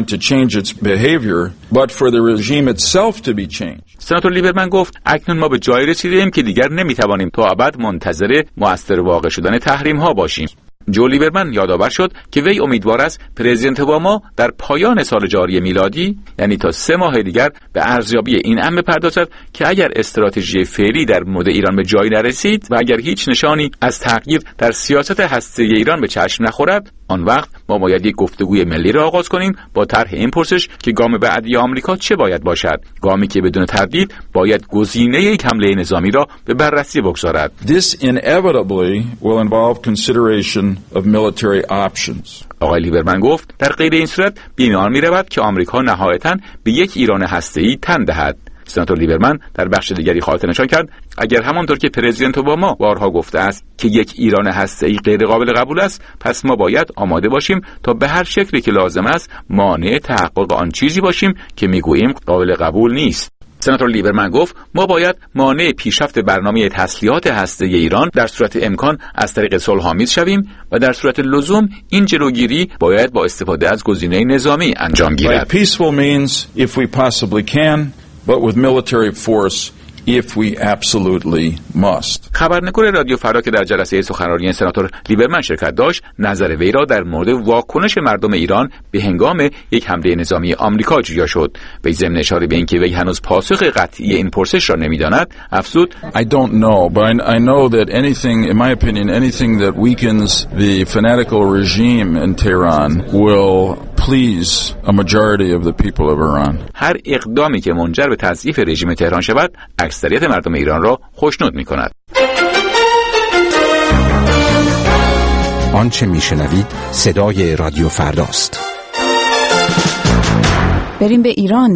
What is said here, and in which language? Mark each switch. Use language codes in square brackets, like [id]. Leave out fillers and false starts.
[en] But for the regime itself to be changed. [fa] سناتور لیبرمن گفت اکنون ما به جایی رسیدیم که دیگر نمیتوانیم تا ابد منتظر مؤثر واقع شدن تحریم ها باشیم. جو لیبرمن یادآور شد که وی امیدوار است پرزیدنت اوباما در پایان سال جاری میلادی، یعنی تا 3 ماه دیگر، به ارزیابی این امر بپردازد که اگر استراتژی فعلی در مورد ایران به جایی نرسید و اگر هیچ نشانی از تغییر در سیاست هسته‌ای ایران به چشم نخورد، آن وقت ما باید یک گفتگوی ملی را آغاز کنیم با طرح این پرسش که گام بعدی آمریکا چه باید باشد، گامی که بدون تردید باید گزینه یک حمله نظامی را به بررسی بگذارد. [en] This inevitably will involve consideration of military options. [fa] آقای لیبرمن گفت در غیر این صورت بیمار می‌رود که آمریکا نهایتاً به یک ایران هسته‌ای تن دهد. سناتور لیبرمن در بخش دیگری خاطرنشان کرد اگر همانطور که پرزیدنت اوباما بارها گفته است که یک ایران هسته‌ای غیر قابل قبول است، پس ما باید آماده باشیم تا به هر شکلی که لازم است مانع تحقق آن چیزی باشیم که میگوییم قابل قبول نیست. سناتور لیبرمن گفت ما باید مانع پیشرفت برنامه تسلیحات هسته‌ای ایران در صورت امکان از طریق صلح‌آمیز شویم و در صورت لزوم این جلوگیری باید با استفاده از گزینه نظامی انجام گیرد. [en] But with military force, if we absolutely must. [fa] خبرنگار رادیو فردا که در جلسه سخنرانی سناتور لیبرمن شرکت داشت، نظر وی را در مورد واکنش مردم ایران به هنگام یک حمله نظامی آمریکا جویا شد. وی ضمن اشاره به اینکه وی هنوز پاسخ قطعی این پرسش را نمی‌داند، افزود: [en] I don't know, but I know that anything, in my opinion, anything that weakens the fanatical regime in Tehran will please a majority of the people of Iran. [fa] هر اقدامی که منجر به تضعیف رژیم تهران شود، اکثریت مردم ایران را خوشنود می‌کند. آنچه می‌شنوید صدای رادیو فرداست. بریم به ایران.